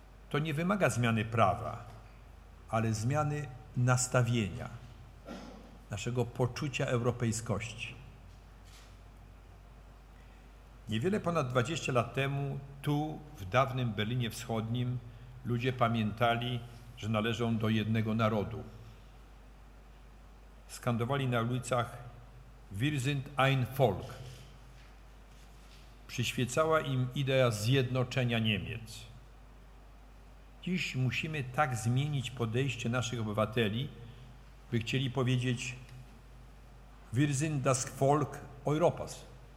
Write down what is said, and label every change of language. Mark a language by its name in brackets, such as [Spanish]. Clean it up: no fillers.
[Polish] To nie wymaga zmiany prawa, ale zmiany nastawienia, naszego poczucia europejskości. Niewiele ponad 20 lat temu tu, w dawnym Berlinie Wschodnim, ludzie pamiętali, że należą do jednego narodu. Skandowali na ulicach [German] Wir sind ein Volk. [Polish] Przyświecała im idea zjednoczenia Niemiec. Dziś musimy tak zmienić podejście naszych obywateli, by chcieli powiedzieć [German] Wir sind das Volk Europas.